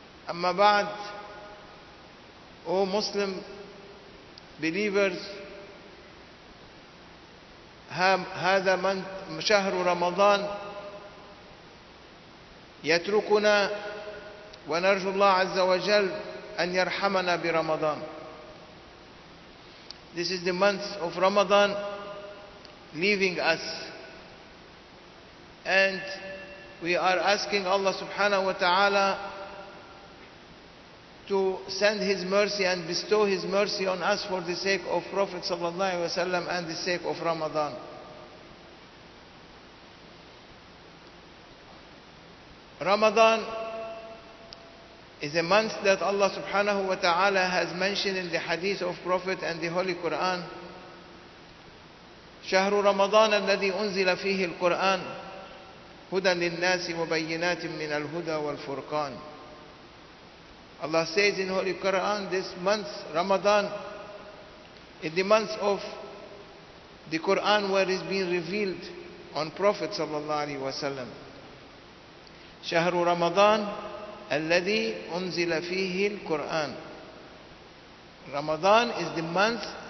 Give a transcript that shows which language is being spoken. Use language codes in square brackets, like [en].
[ar] أما بعد، أو مسلم [en] believers، [ar] هذا من شهر رمضان يتركنا، ونرجو الله عز وجل أن يرحمنا برمضان. [en] This is the month of Ramadan leaving us, and we are asking Allah subhanahu wa ta'ala to send His mercy and bestow His mercy on us for the sake of Prophet sallallahu alaihi wasallam and the sake of Ramadan. Ramadan is a month that Allah subhanahu wa ta'ala has mentioned in the hadith of Prophet and the Holy Quran. [ar] شهر رمضان الذي أنزل فيه القرآن هدى للناس وبينات من الهدى والفرقان. [en] Allah says in Holy Quran, this month Ramadan is the month of the Quran where it is being revealed on Prophet sallallahu alaihi wasallam. [ar] شهر رمضان الذي أنزل فيه القرآن. [en] Ramadan is the month